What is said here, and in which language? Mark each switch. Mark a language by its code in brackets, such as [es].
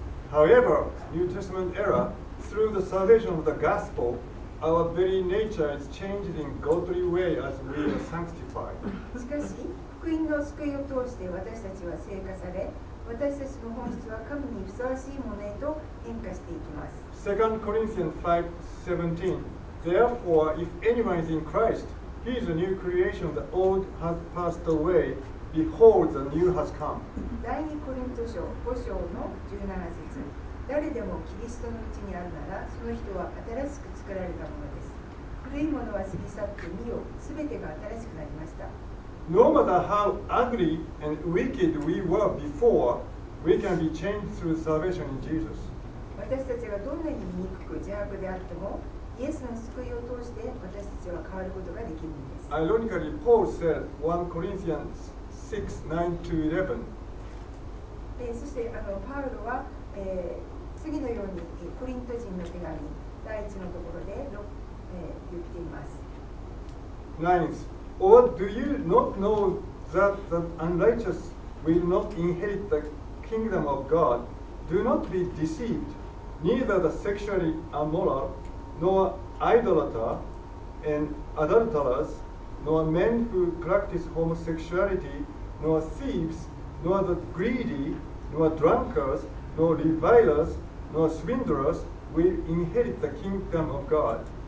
[en] However, New Testament era, through the salvation of the gospel, our very nature is changed in godly way as we are sanctified. [ja] しかし福音の救いを通して私たちは聖化され、私たちの本質は神にふさわしいものへと変化していきます。 [en] 2 Corinthians 5:17 Therefore, if anyone is in Christ, he is a new creation. The old has passed away. Behold, the new has come. [ja] 第2コリント書5章の17節。誰でもキリストのうちにあるなら、その人は新しく作られたものです。古いものは過ぎ去って、見よ、すべてが新しくなりました。 [en] No matter how ugly and wicked we were before, we can be changed through salvation in Jesus. [ja] 私たちがどんなに醜く邪悪であっても、イエスの救いを通して私たちは変わることができるんです。 [en] Ironically, Paul said 1 Corinthians 6:9-11. [ja] そしてパウロは、次のようにコリント人の手紙第1のところで、言っています。 [en] 9th. Or do you not know that the unrighteous will not inherit the kingdom of God? Do not be deceived. Neither the sexually immoral, nor idolater, and adulterers, nor men who practice homosexuality, nor thieves, nor the greedy, nor drunkards, nor revilers, nor swindlers will inherit the kingdom of God.